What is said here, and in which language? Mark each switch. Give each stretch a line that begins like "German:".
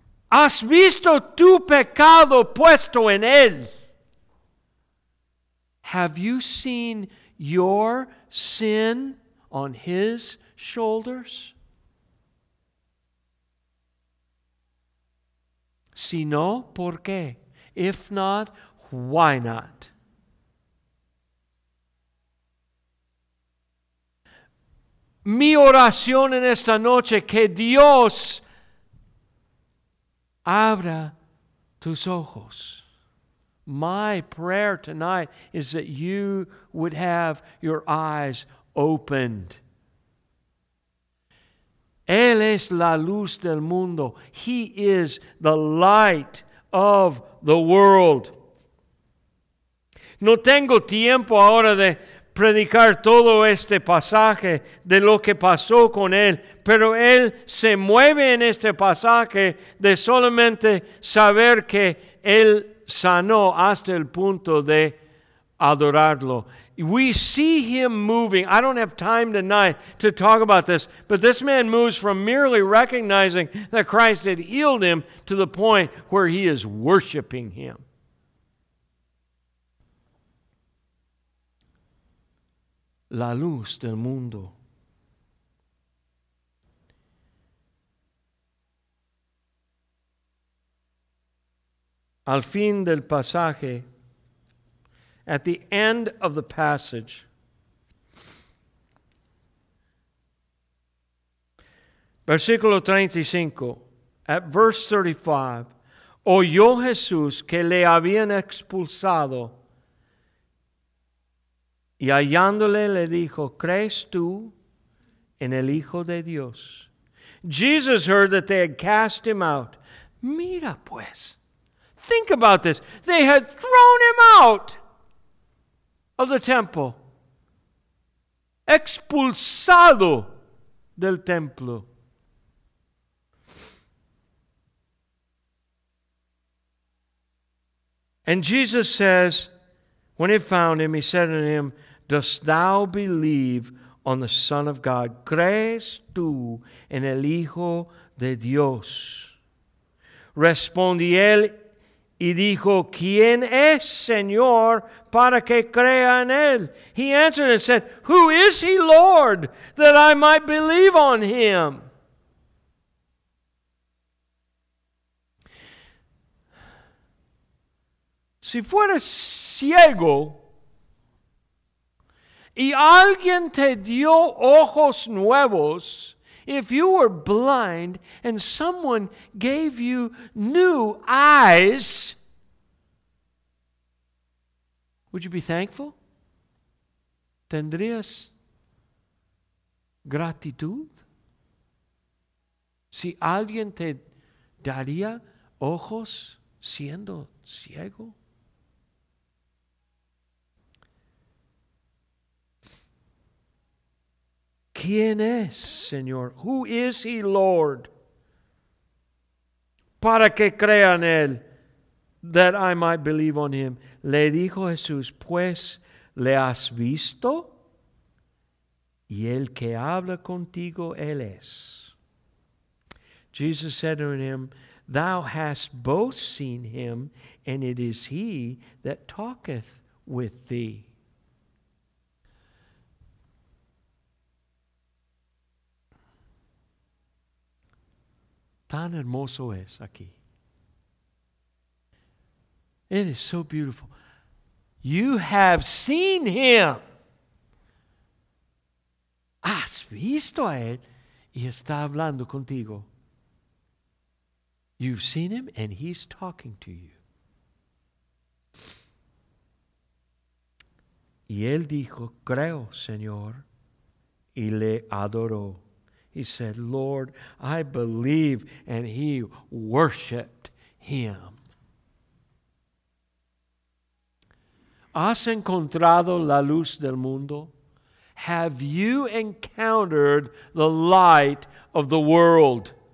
Spanish: ¿Has visto tu pecado puesto en él?
English: Have you seen your sin on his shoulders?
Spanish: Si no, ¿por qué?
English: If not, why not?
Spanish: Mi oración en esta noche, que Dios abra tus ojos.
English: My prayer tonight is that you would have your eyes opened.
Spanish: Él es la luz del mundo.
English: He is the light of the world.
Spanish: No tengo tiempo ahora de predicar todo este pasaje de lo que pasó con él, pero él se mueve en este pasaje de solamente saber que él sanó hasta el punto de adorarlo.
English: We see him moving. I don't have time tonight to talk about this, but this man moves from merely recognizing that Christ had healed him to the point where he is worshiping him.
Spanish: La luz del mundo. Al fin del pasaje,
English: at the end of the passage,
Spanish: versículo 35,
English: at verse 35,
Spanish: oyó Jesús que le habían expulsado y hallándole le dijo, ¿crees tú en el Hijo de Dios?
English: Jesus heard that they had cast him out.
Spanish: Mira pues.
English: Think about this. They had thrown him out of the temple.
Spanish: Expulsado del templo.
English: And Jesus says, when he found him, he said to him, dost thou believe on the Son of God?
Spanish: ¿Crees tú en el Hijo de Dios? Respondió él y dijo, ¿quién es, Señor, para que crea en él?
English: He answered and said, who is he, Lord, that I might believe on him?
Spanish: Si fuera ciego y alguien te dio ojos nuevos,
English: if you were blind and someone gave you new eyes, would you be thankful?
Spanish: ¿Tendrías gratitud? Si alguien te daría ojos siendo ciego. ¿Quién es, Señor?
English: Who is he, Lord?
Spanish: Para que crea en él,
English: that I might believe on him.
Spanish: Le dijo Jesús, pues, ¿le has visto? Y el que habla contigo, él es.
English: Jesus said to him, thou hast both seen him, and it is he that talketh with thee.
Spanish: Tan hermoso es aquí.
English: It is so beautiful. You have seen him.
Spanish: Has visto a él y está hablando contigo.
English: You've seen him and he's talking to you.
Spanish: Y él dijo, creo, Señor, y le adoró.
English: He said, Lord, I believe, and he worshiped him.
Spanish: ¿Has encontrado la luz del mundo?
English: Have you encountered the light of the world?